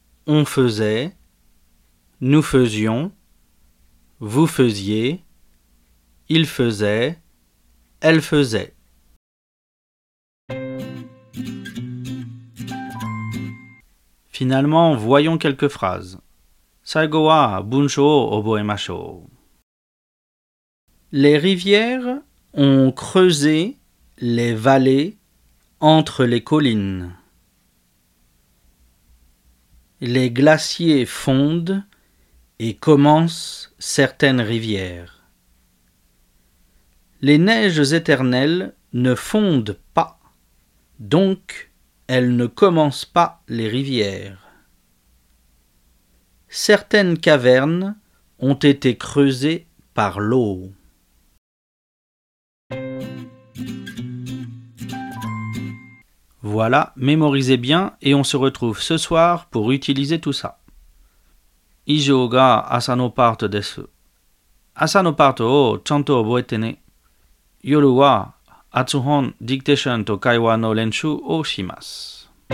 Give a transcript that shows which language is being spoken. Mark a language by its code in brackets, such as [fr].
[fr] On faisait, nous faisions, vous faisiez, il faisait, elle faisait. Finalement, voyons quelques phrases. 最後は文章を覚えましょう。 Les rivières ont creusé les vallées entre les collines. Les glaciers fondent et commencent certaines rivières. Les neiges éternelles ne fondent pas, donc elles ne commencent pas les rivières. Certaines cavernes ont été creusées par l'eau. Voilà, mémorisez bien et on se retrouve ce soir pour utiliser tout ça. [ja] 以上が朝のパートです。朝のパートをちゃんと覚えてね。夜は発音、ディクテーションと会話の練習をします。